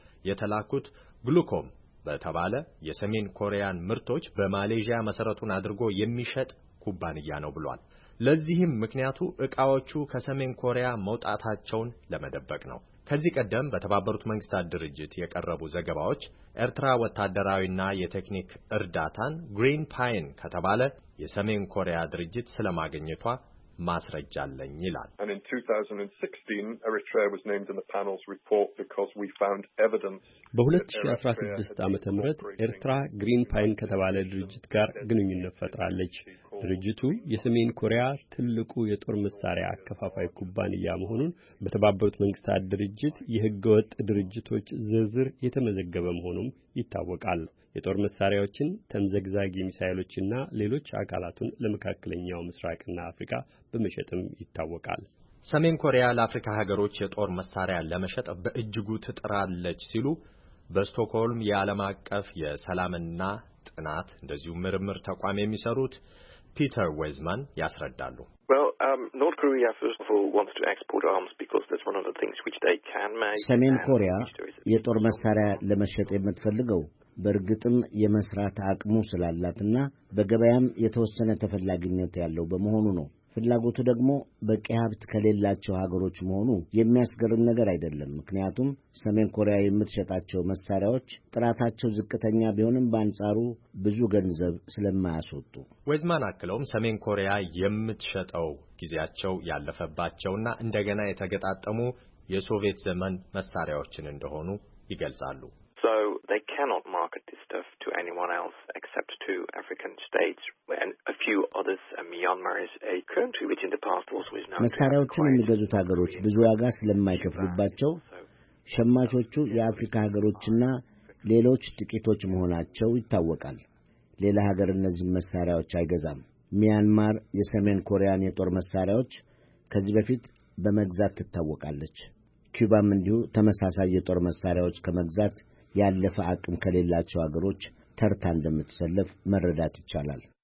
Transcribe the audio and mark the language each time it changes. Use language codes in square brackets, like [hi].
[am] የተላኩት ግሉኮም በተባለ የሰሜን ኮሪያን ምርቶች በማሌዥያ መሰረቱን አድርጎ የሚሸጥ ኩባንያ ነው ብሏል። ለዚህም ምክንያቱ እቃዎቹ ከሰሜን ኮሪያ መውጣታቸውን ለመደበቅ ነው። ከዚህ ቀደም በተባበሩት መንግስታት ድርጅት የቀረቡ ዘገባዎች ኤርትራ ወታደራዊና የቴክኒክ እርዳታን ግሪን ፓይን ከተባለ የሰሜን ኮሪያ ድርጅት ስለማግኘቷ ማስረጃ አለኝ ይላል። [en] And in 2016 Eritrea was named in the panel's report because we found evidence [am] በ2016 ዓመተ ምህረት ኤርትራ ግሪን ፓይን ከተባለ ድርጅት ጋር ግንኙነት ፈጥራለች። ድርጅቱ የሰሜን ኮሪያ ትልቁ የጦር መሳሪያ አከፋፋይ ኩባንያ መሆኑን በተባበሩት መንግስታት ድርጅት የህገወጥ ድርጅቶች ዝርዝር የተመዘገበ መሆኑም ይታወቃል። የጦር መሳሪያዎችን፣ ተምዘግዛጊ ሚሳኤሎችንና ሌሎች አካላቱን ለመካከለኛው ምስራቅና አፍሪካ በመሸጥም ይታወቃል። ሰሜን ኮሪያ ለአፍሪካ ሀገሮች የጦር መሳሪያ ለመሸጥ በእጅጉ ትጥራለች ሲሉ በስቶክሆልም የዓለም አቀፍ የሰላምና ጥናት እንደዚሁ ምርምር ተቋም የሚሰሩት ፒተር ዌዝማን ያስረዳሉ። [en] North Korea first of all wants to export arms because that's one of the things which they can make. [am] ሰሜን ኮሪያ የጦር መሳሪያ ለመሸጥ የምትፈልገው በርግጥም የመስራት አቅሙ ስላላትና በገበያም የተወሰነ ተፈላጊነት ያለው በመሆኑ ነው። ፍላጎቱ ደግሞ በቂ ሀብት ከሌላቸው ሀገሮች መሆኑ የሚያስገርም ነገር አይደለም። ምክንያቱም ሰሜን ኮሪያ የምትሸጣቸው መሳሪያዎች ጥራታቸው ዝቅተኛ ቢሆንም በአንጻሩ ብዙ ገንዘብ ስለማያስወጡ። ወዝማን አክለውም ሰሜን ኮሪያ የምትሸጠው ጊዜያቸው ያለፈባቸውና እንደገና የተገጣጠሙ የሶቪየት ዘመን መሳሪያዎችን እንደሆኑ ይገልጻሉ። [en] So they cannot market this stuff to anyone else except to African states and a few others. Myanmar is a country which in the past was known as a [am] መሳሪያዎቹን የሚገዙት ሀገሮች ብዙ ዋጋ ስለማይከፍሉባቸው ሸማቾቹ የአፍሪካ ሀገሮችና ሌሎች ጥቂቶች መሆናቸው ይታወቃል። ሌላ ሀገር እነዚህን መሳሪያዎች አይገዛም። ሚያንማር የሰሜን ኮሪያን የጦር መሳሪያዎች ከዚህ በፊት በመግዛት ትታወቃለች። ኩባም እንዲሁ ተመሳሳይ የጦር መሳሪያዎች ከመግዛት ያለፈ አቅም ከሌላቸው አገሮች ተርታ እንደምትሰለፍ መረዳት ይቻላል።